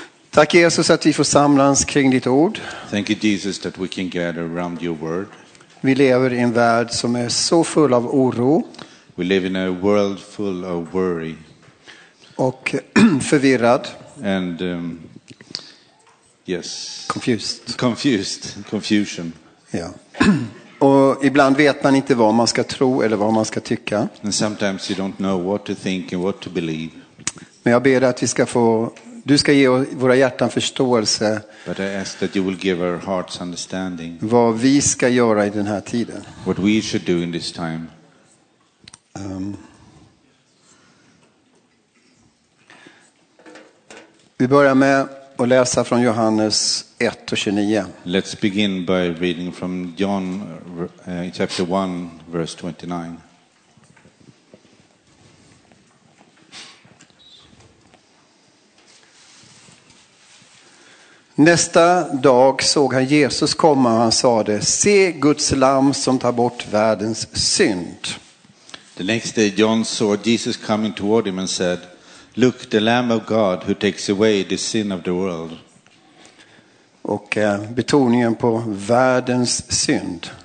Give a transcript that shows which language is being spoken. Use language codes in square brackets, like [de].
[sv] Tack Jesus att vi får samlas kring ditt ord. [en] Thank you Jesus that we can gather around your word. [sv] Vi lever I en värld som är så full av oro. [en] We live in a world full of worry. [sv] Och förvirrad. [en] And yes. Confused. Confusion. [sv] Ja. Och ibland vet man inte vad man ska tro eller vad man ska tycka. [en] And sometimes you don't know what to think and what to believe. [sv] Men jag ber att vi ska få du ska ge våra hjärtan förståelse. [en] But I ask that you will give our hearts understanding. [sv] Vad vi ska göra I den här tiden. [en] What we should do in this time. [sv] Vi börjar med att läsa från Johannes 1 och 29. [en] Let's begin by reading from John chapter 1 verse 29. [sv] Nästa dag såg han Jesus komma och han sa det: Se Guds lamm som tar bort världens synd. [en] The next day John saw Jesus coming toward him and said, Look, the lamb of God who takes away the sin of the world. [sv] Och betoningen på världens synd.